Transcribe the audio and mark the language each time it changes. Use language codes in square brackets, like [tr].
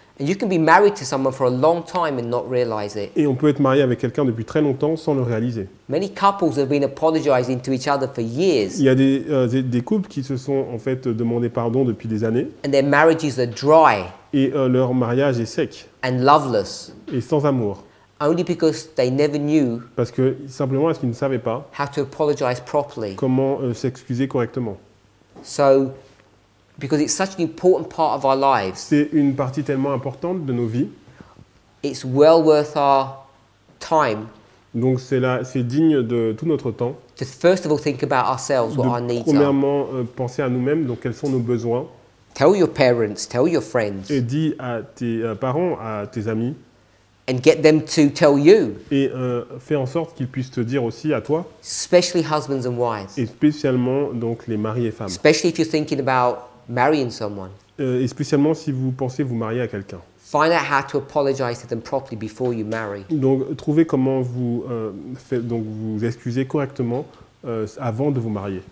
[en] And you can be married to someone for a long time and not realize it. [fr] Et on peut être marié avec quelqu'un depuis très longtemps sans le réaliser. [en] Many couples have been apologizing to each other for years. [fr] Il y a des couples qui se sont en fait demandé pardon depuis des années. [en] And their marriages are dry. [fr] Et leur mariage est sec. [en] And loveless. [fr] Et sans amour. [en] Only because they never knew. [fr] Parce que simplement parce qu'ils ne savaient pas. [en] How to apologize properly. [fr] Comment s'excuser correctement. [en] So. Because it's such an important part of our lives. [fr] C'est une partie tellement importante de nos vies. [en] It's well worth our time. [fr] Donc c'est digne de tout notre temps. [en] To first of all think about ourselves, what our needs are. [fr] Premièrement, penser à nous-mêmes, donc quels sont nos besoins. [en] Tell your parents, tell your friends. [fr] Et dis à tes parents, à tes amis. [en] And get them to tell you. [fr] Et fais en sorte qu'ils puissent te dire aussi à toi. [en] Especially husbands and wives. [fr] Et spécialement donc les maris et femmes. [en] Especially if you're thinking about marrying someone. [fr] Et spécialement si vous pensez vous marier à quelqu'un. [en] Find out how to apologize to them properly before you marry. [fr] Donc trouvez comment vous vous excuser correctement avant de vous marier.